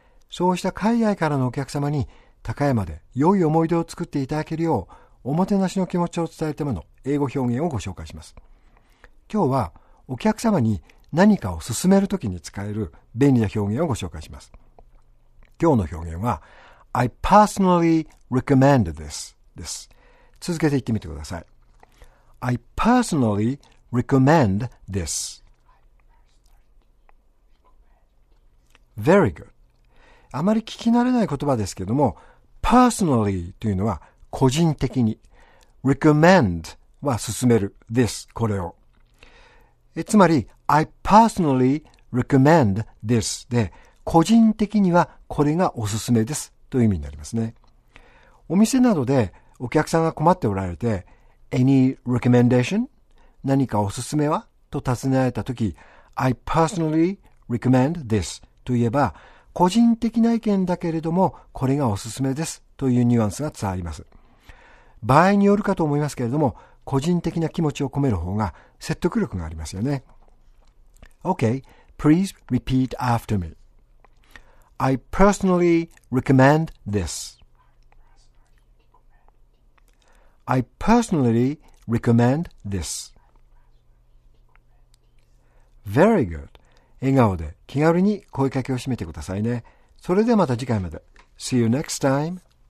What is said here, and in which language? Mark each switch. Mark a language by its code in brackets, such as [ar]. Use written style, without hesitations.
[ja] そうした海外からのお客様に高山で良い思い出を作っていただけるよう、おもてなしの気持ちを伝えるための英語表現をご紹介します。今日はお客様に何かを勧めるときに使える便利な表現をご紹介します。今日の表現は、 [en] I personally recommend this [ja] です。続けて言ってみてください。 [en] I personally recommend this. Very good. [ja] あまり聞き慣れない言葉ですけども、personally というのは個人的に。 recommend は勧める。this、これを。つまり、 [en] I personally recommend this [ja] で、個人的にはこれがおすすめです。という意味になりますね。お店などでお客さんが困っておられて、 [en] Any recommendation? [ja] 何かおすすめは?と尋ねられたとき、 [en] I personally recommend this [ja] といえば、個人的な意見だけれども、これがおすすめですというニュアンスが伝わります。場合によるかと思いますけれども、個人的な気持ちを込める方が説得力がありますよね。 [en] Okay, please repeat after me. I personally recommend this. I personally recommend this. Very good. [ja] 笑顔で気軽に声かけを締めてくださいね。それではまた次回まで。 [en] See you next time.